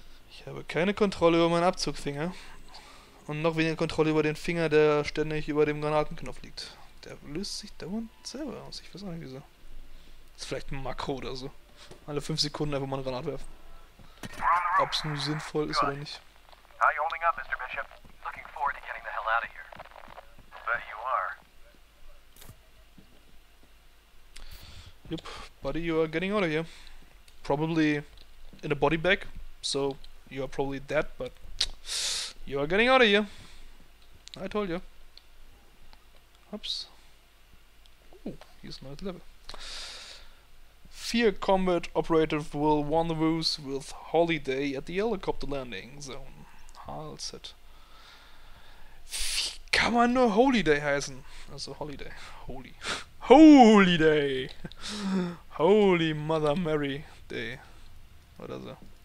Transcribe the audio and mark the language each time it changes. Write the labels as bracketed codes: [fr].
[de] Ich habe keine Kontrolle über meinen Abzugfinger und noch weniger Kontrolle über den Finger, der ständig über dem Granatenknopf liegt. Der löst sich dauernd selber aus, ich weiß auch nicht wieso. Ist vielleicht ein Makro oder so. Alle 5 Sekunden einfach mal eine Granate werfen. Ob es nun sinnvoll ist oder nicht. [en] How you holding up, Mr. Bishop? Looking forward to getting the hell out of here. Bet you are. Yep, buddy, you are getting out of here. Probably in a body bag, so... You are probably dead, but you are getting out of here. I told you. Ups. Ooh, here's another level. Fear Combat Operative will rendezvous with Holiday at the helicopter landing zone. Hal said. [de] Wie kann man nur Holiday heißen? Also Holiday. Holy. [en] Holy Day! Holy Mother Mary Day. [de] Oder so.